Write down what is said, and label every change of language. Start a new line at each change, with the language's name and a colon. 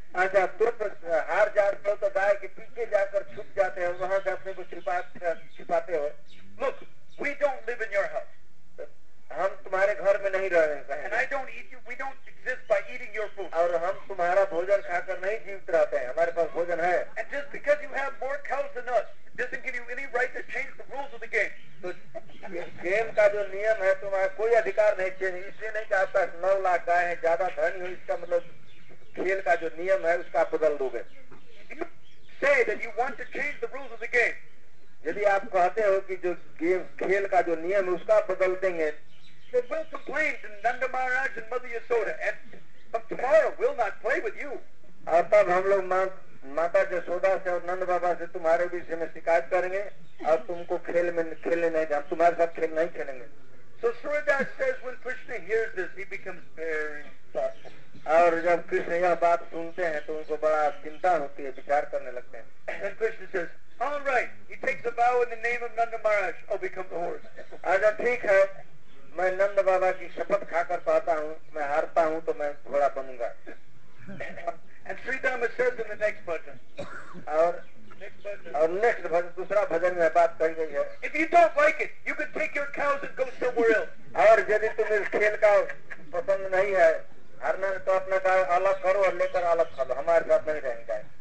Hindi: अच्छा तुम हार जाते हो तो गाय के पीछे जाकर छुप जाते हो, वहां से अपने को छिपाते हो.
English: Look, we don't live in your house.
Hindi: हम तुम्हारे घर में नहीं रह रहे हैं.
English: And I don't eat you. We don't exist by eating your food.
Hindi: और हम तुम्हारा भोजन खाकर नहीं जीवित रहते हैं. हमारे पास भोजन है.
English: And just because you have more cows than us doesn't give you any right to change the rules of the game.
Hindi: Game का जो नियम है तुम्हारा कोई अधिकार नहीं चेंज, इसलिए नहीं कहा था 9 लाख गाय है ज्यादा धन हो, इसका मतलब खेल का जो नियम है उसका बदल दोगे.
English: Say that you want to change the rules of the game.
Hindi: यदि आप कहते हो कि जो गेम खेल का जो नियम है उसका बदल देंगे.
English: Then we'll complain to Nanda Maharaj and Mother Yasoda, and from tomorrow we'll not play with you.
Hindi: अब तब हम लोग माता यशोदा से और नंद बाबा से तुम्हारे विषय में शिकायत करेंगे और तुमको खेल में खेलने नहीं, हम तुम्हारे साथ खेल नहीं खेलेंगे.
English: So Suridas says when Krishna hears this, he becomes very sad.
Hindi: और जब कृष्ण यह बात सुनते हैं तो उनको बड़ा चिंता होती है, विचार करने लगते हैं.
English: And Krishna says, all right, he takes a bow in the name of Nanda Maharaj, I'll become the horse.
Hindi: अच्छा ठीक है, मैं नंद बाबा की शपथ खाकर पाता हूँ, मैं हारता हूँ तो मैं घोड़ा बनूंगा.
English: And Sridharma says in the next bhajan.
Hindi: और
English: next bhajan,
Hindi: दूसरा भजन में बात कही गई है.
English: If you don't like it, you can take your cows and go somewhere else.
Hindi: और यदि तुम इस खेल का पसंद नहीं है हारना तो अपना गाय अलग करो और लेकर अलग खा लो, हमारे साथ नहीं रहेंगे.